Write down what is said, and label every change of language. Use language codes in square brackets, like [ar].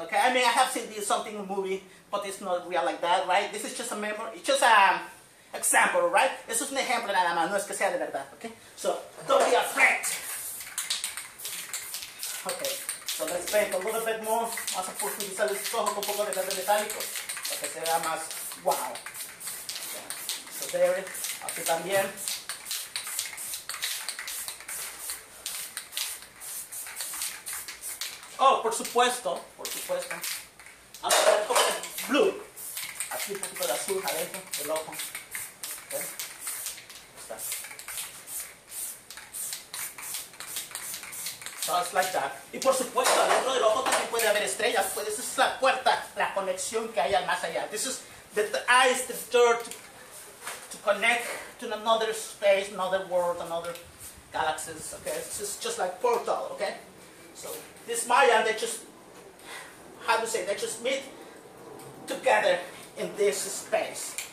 [en] Okay, I mean, I have seen this something in a movie, but it's not real like that, right? This is just a memory, it's just an example, right? [es] Es un ejemplo nada más, no es que sea de verdad. [en] Okay, so don't be afraid. Okay. So let's paint a little bit more. [es] Vamos a utilizar el ojo con un poco de verde metálico para que se vea más wow. [en] So there it, [es] aquí también. Oh, por supuesto, vamos a poner un poco de blue. Aquí un poquito de azul adentro del ojo. Okay. [en] Just like that. [es] Y por supuesto, adentro del ojo también puede haber estrellas. Pues esa es la puerta, la conexión que hay al más allá. [en] This is the eye is the door to connect to another space, another world, another galaxies. Okay, this is just like portal. Okay, so this Mayan, they just, how to say, they just meet together in this space.